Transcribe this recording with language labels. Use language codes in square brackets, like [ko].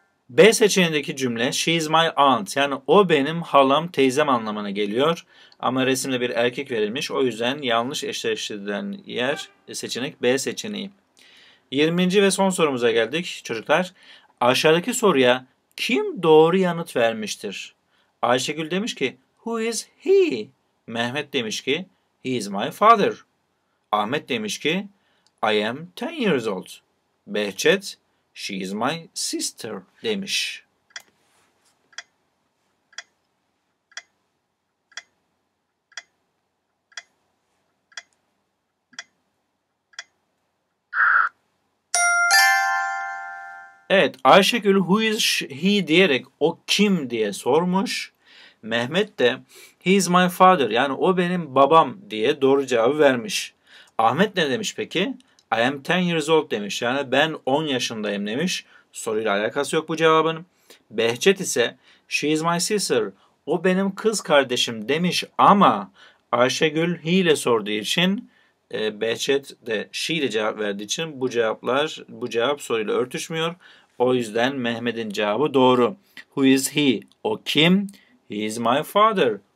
[tr] B seçeneğindeki cümle [en] she is my aunt, [tr] yani o benim halam, teyzem anlamına geliyor. Ama resimde bir erkek verilmiş. O yüzden yanlış eşleştirilen yer seçenek B seçeneği. 20. ve son sorumuza geldik çocuklar. Aşağıdaki soruya kim doğru yanıt vermiştir? Ayşegül demiş ki [en] who is he? [tr] Mehmet demiş ki [en] he is my father. [tr] Ahmet demiş ki [en] I am 10 years old. Behçet she is my sister demiş. [tr] Evet, Ayşegül [en] who is he [tr] diyerek o kim diye sormuş. Mehmet de [en] he is my father, [tr] yani o benim babam diye doğru cevabı vermiş. Ahmet ne demiş peki? [en] I am 10 years old [tr] demiş. Yani ben 10 yaşındayım demiş. Soruyla alakası yok bu cevabın. Behçet ise [en] she is my sister. [tr] O benim kız kardeşim demiş ama Ayşegül he ile sorduğu için Behçet de she ile cevap verdiği için bu cevap soruyla örtüşmüyor. O yüzden Mehmet'in cevabı doğru. [en] Who is he? [tr] O kim? [en] He is my father.